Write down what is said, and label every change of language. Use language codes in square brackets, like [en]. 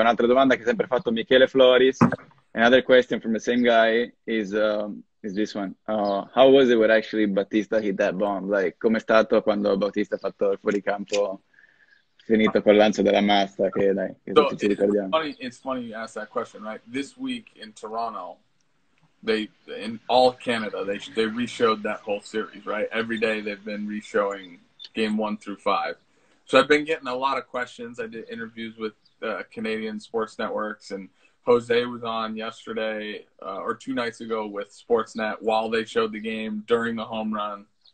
[it] Un'altra domanda che ha sempre fatto Michele Floris. [en] Another question from the same guy is. Is this one? How was it when actually Bautista hit that bomb? [it] Like, come è stato quando Bautista ha fatto il fuoricampo finito col lancio della massa? Che dai, ci ricordiamo. [en] It's funny you ask that question, right? This week in Toronto, in all Canada, they re-showed that whole series, right? Every day they've been re-showing game 1 through 5. So I've been getting a lot of questions. I did interviews with Canadian sports networks, and Jose was on yesterday or two nights ago with Sportsnet while they showed the game during the home run.